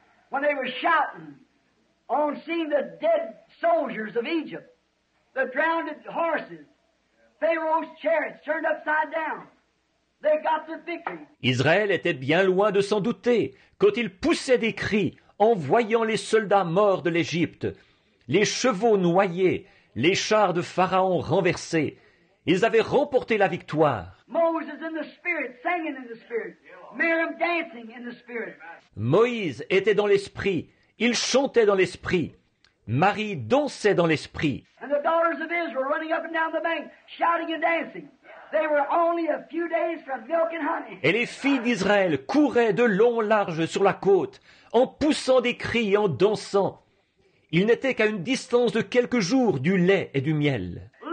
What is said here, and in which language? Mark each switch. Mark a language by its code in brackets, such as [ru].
[en] When they were shouting on seeing the dead soldiers of Egypt, the drowned horses, Pharaoh's chariots turned upside down, they got the victory. [fr] Israël était bien loin de s'en douter quand ils poussaient des cris en voyant les soldats morts de l'Égypte, les chevaux noyés, les chars de Pharaon renversés. Ils avaient remporté la victoire. [en] Moses in the spirit, singing in the spirit. Miriam dancing in the spirit. [fr] Moïse était dans l'esprit. Il chantait dans l'esprit. Marie dansait dans l'esprit. [en] And the daughters of Israel running up and down the bank, shouting and dancing. They were only a few days from milk and honey. [fr] Et les filles d'Israël couraient de long en large sur la côte, en poussant des cris et en dansant. Ils n'étaient qu'à une distance de quelques jours du lait et du miel.